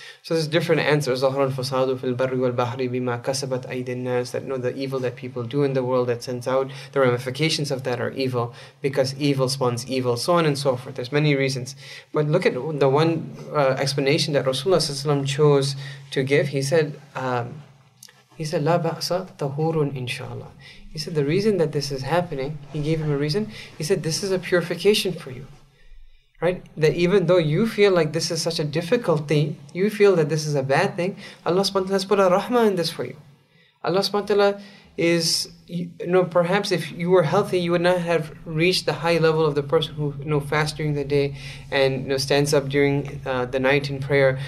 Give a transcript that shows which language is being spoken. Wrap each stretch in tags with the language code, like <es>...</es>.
<en>So there's different answers.</en> <ar>ظَهْرَ الْفَسَادُ فِي الْبَرِّ وَالْبَحْرِ بِمَا كَسَبَتْ أَيْدِ النَّاسِ,</ar> <en>that, you know, the evil that people do in the world that sends out, the ramifications of that are evil, because evil spawns evil, so on and so forth. There's many reasons. But look at the one explanation that Rasulullah ﷺ chose to give. He said,</en> <ar>لَا بَأْسَ طَهُورٌ إِنْشَاءَاللَّهِ.</ar> <en>He said, the reason that this is happening, he gave him a reason. He said, this is a purification for you. Right, that even though you feel like this is such a difficulty, you feel that this is a bad thing, Allah</en> <ar>subhanahu wa ta'ala</ar> <en>has put a rahmah in this for you. Allah</en> <ar>subhanahu wa ta'ala</ar> <en>is, you know, perhaps if you were healthy, you would not have reached the high level of the person who, you know, fasts during the day and, you know, stands up during the night in prayer.</en>